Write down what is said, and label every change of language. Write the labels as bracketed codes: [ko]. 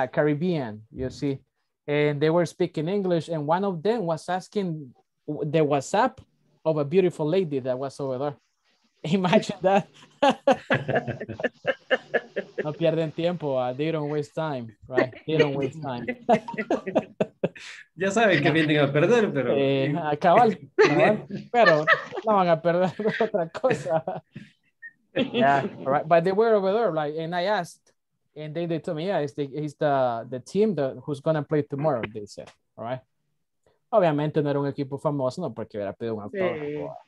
[en] Caribbean, you see, and they were speaking English, and one of them was asking the WhatsApp of a beautiful lady that was over there. Imagine that. [es] No pierden tiempo, [en] they don't waste time, right? They don't waste time. [es] Ya saben que vienen a perder, pero cabal, pero no van a perder otra cosa. [en] Yeah, all right, but they were over there, like, and I asked. And then they told me, yeah, it's the team that who's gonna play tomorrow. They said, all right. [es] Obviamente no era un equipo famoso, no porque hubiera pedido un autógrafo.